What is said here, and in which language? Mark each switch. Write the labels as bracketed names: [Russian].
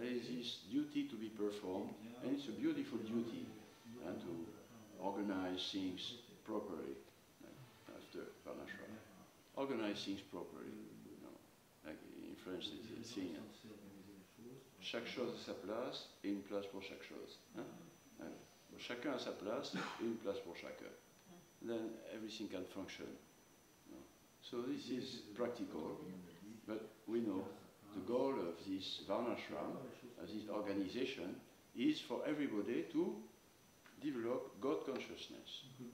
[English] There is this duty to be performed, and it's a beautiful duty, and to organize things properly, like after Parnashram. Organize things properly, you know, like in French, it's a thing. [French] Chaque chose a sa place, et une place pour chaque chose. Chacun a sa place, et une place pour chacun. [English] Then everything can function. So this is practical, but we know the goal of this Varnashram, of this organization, is for everybody to develop God consciousness.